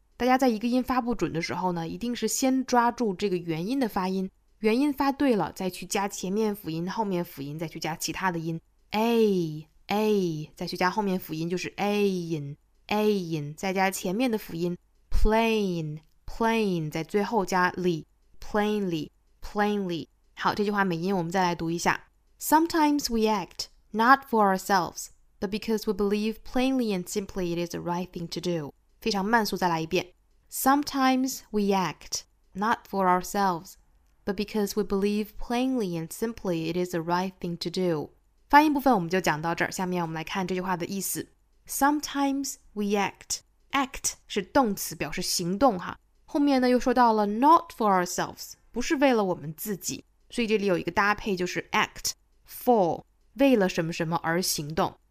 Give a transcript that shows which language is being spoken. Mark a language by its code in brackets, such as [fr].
[zh] 大家在一个音发不准的时候呢，一定是先抓住这个元音的发音，元音发对了，再去加前面辅音，后面辅音，再去加其他的音 a, 再去加后面辅音，就是 ain, 再加前面的辅音 plain, plain, 在最后加 ly, plainly, plainly。好，这句话美音我们再来读一下。 [en] Sometimes we act not for ourselves, but because we believe plainly and simply it is the right thing to do. [zh] 非常慢速再来一遍。 [en] Sometimes we act not for ourselves, but because we believe plainly and simply it is the right thing to do. [zh] 发音部分我们就讲到这儿，下面我们来看这句话的意思。 Sometimes we act. Act 是动词，表示行动哈。后面呢又说到了 not for ourselves, 不是为了我们自己。所以这里有一个搭配，就是 act for 为了什么什么而行动。